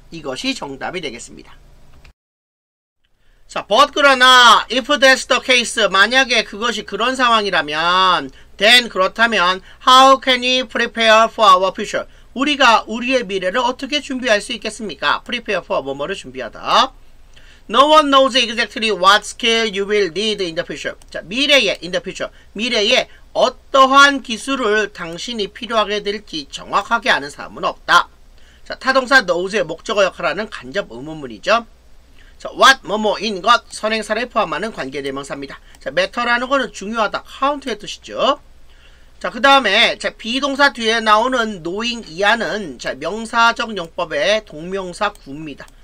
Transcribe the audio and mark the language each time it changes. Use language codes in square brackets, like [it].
[ko] 이것이 정답이 되겠습니다. [en] 자, but [ko] 그러나 [en] if that's the case, [ko] 만약에 그것이 그런 상황이라면 [en] then [ko] 그렇다면 [en] how can we prepare for our future? [ko] 우리가 우리의 미래를 어떻게 준비할 수 있겠습니까? prepare for 뭐뭐를 준비하다. [en] No one knows exactly what skill you will need in the future. [ko] 자, 미래에 in the future. 미래에 어떠한 기술을 당신이 필요하게 될지 정확하게 아는 사람은 없다. 자, 타동사 knows의 목적어 역할하는 간접 의문문이죠. 자, what, 뭐뭐인 것, 선행사를 포함하는 관계대명사입니다. 자, matter라는 거는 중요하다, count의 뜻이죠. 자, 그 다음에 자 비동사 뒤에 나오는 knowing 이하는 자 명사적 용법의 동명사 구입니다.